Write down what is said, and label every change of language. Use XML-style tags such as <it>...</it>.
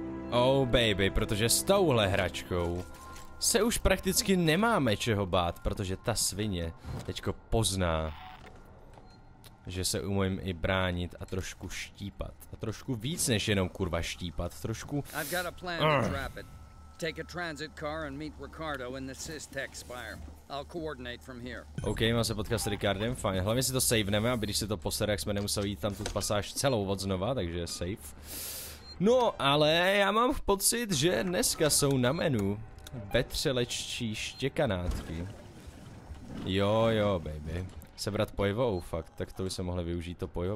<en>Oh baby,</en> <cs>protože s touhle hračkou se už prakticky nemáme čeho bát, protože ta svině teďko pozná, že se umím i bránit a trošku štípat. A trošku víc než jenom kurva štípat, trošku...</cs> <en>I've got a plan to trap it. Take a transit car and meet Ricardo in the SysTech Spire. I'll coordinate from here.</en> <cs>OK, mám se potkat s Ricardem, fajn. Hlavně si to savneme, aby když se to posere, jak jsme nemuseli jít tam tu pasáž celou od znova, takže save. No, ale já mám pocit, že dneska jsou na menu vetřelečtí štěkanátky. Jo, jo, baby. Sebrat pojivou, fakt, tak to by se mohli využít to pojivo.</cs>